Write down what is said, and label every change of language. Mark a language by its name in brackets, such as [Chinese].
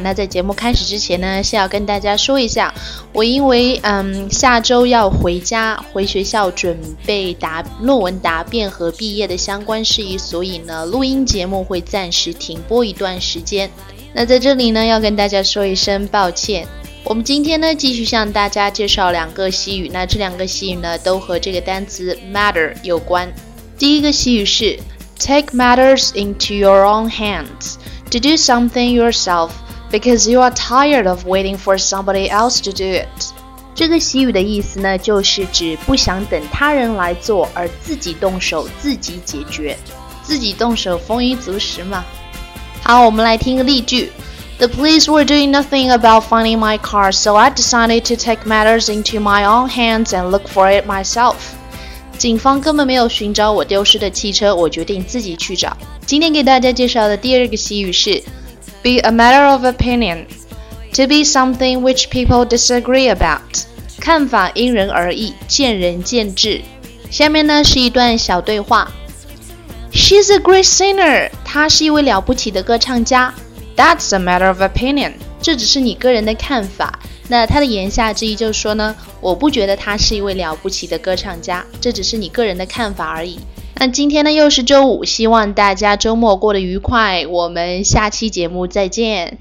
[Chinese] 那在节目开始之前呢，是要跟大家说一下，我因为下周要回家回学校准备论文答辩和毕业的相关事宜，所以呢录音节目会暂时停播一段时间。那在这里呢要跟大家说一声抱歉。我们今天呢继续向大家介绍两个西语，那这两个西语呢都和这个单词 matter 有关。第一个西语是 [English] Take matters into your own hands to do something yourself because you are tired of waiting for somebody else to do it. [Chinese] 这个习语的意思呢，就是指不想等他人来做，而自己动手，自己解决，自己动手丰衣足食嘛。好，我们来听个例句。 [English] The police were doing nothing about finding my car, so I decided to take matters into my own hands and look for it myself. [Chinese] 警方根本没有寻找我丢失的汽车，我决定自己去找。今天给大家介绍的第二个习语是 [English] Be a matter of opinion, to be something which people disagree about. [Chinese] 看法因人而异，见仁见智。下面呢是一段小对话。 [English] She's a great singer, [Chinese] 她是一位了不起的歌唱家。 [English] That's a matter of opinion, [Chinese] 这只是你个人的看法。那他的言下之意就是说呢，我不觉得他是一位了不起的歌唱家，这只是你个人的看法而已。那今天呢又是周五，希望大家周末过得愉快，我们下期节目再见。